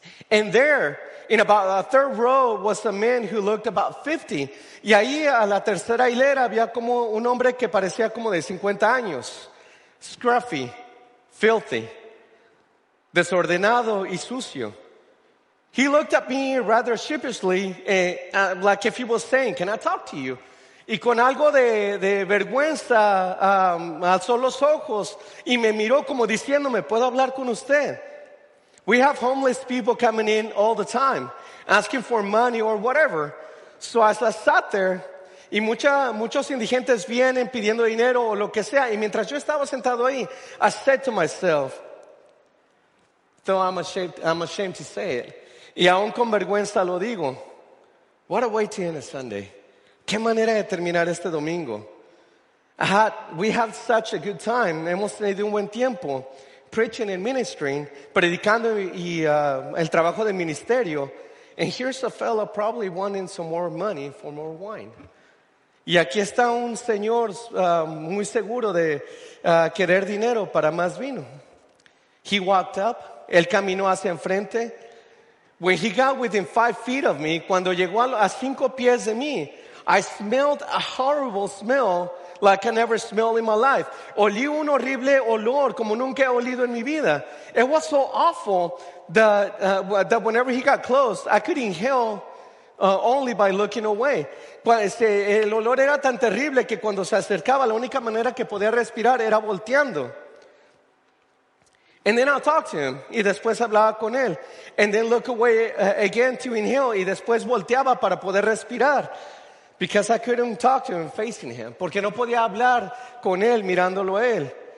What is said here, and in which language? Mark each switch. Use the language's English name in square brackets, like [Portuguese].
[English] And there, in about a third row, was a man who looked about 50. [Spanish] Y ahí, a la tercera hilera, había como un hombre que parecía como de 50 años. [English] Scruffy, filthy, [Spanish] desordenado y sucio. [English] He looked at me rather sheepishly, like if he was saying, "Can I talk to you?" [Spanish] Y con algo de vergüenza, alzó los ojos y me miró como diciéndome, ¿puedo hablar con usted? [English] We have homeless people coming in all the time, asking for money or whatever. So as I sat there, [Spanish] y muchos indigentes vienen pidiendo dinero o lo que sea. Y mientras yo estaba sentado ahí, [English] I said to myself, though I'm ashamed to say it, [Spanish] y aún con vergüenza lo digo, [English] what a way to end a Sunday. [Spanish] ¿Qué manera de terminar este domingo? [English] We had such a good time. [Spanish] Hemos tenido un buen tiempo [English] preaching and ministering, [Spanish] predicando y el trabajo del ministerio. [English] And here's a fellow probably wanting some more money for more wine. [Spanish] Y aquí está un señor muy seguro de querer dinero para más vino. [English] He walked up. [Spanish] Él caminó hacia enfrente. [English] When he got within 5 feet of me, [Spanish] cuando llegó a 5 pies de mí, [English] I smelled a horrible smell like I never smelled in my life. [Spanish] Olí un horrible olor como nunca he olido en mi vida. [English] It was so awful that whenever he got close, I could inhale only by looking away. [Spanish] El olor era tan terrible que cuando se acercaba, la única manera que podía respirar era volteando. [English] And then I talked to him. [Spanish] Y después hablaba con él. [English] And then look away again to inhale. [Spanish] Y después volteaba para poder respirar. [English] Because I couldn't talk to him facing him. [Spanish] Porque no podía hablar con él mirándolo a él.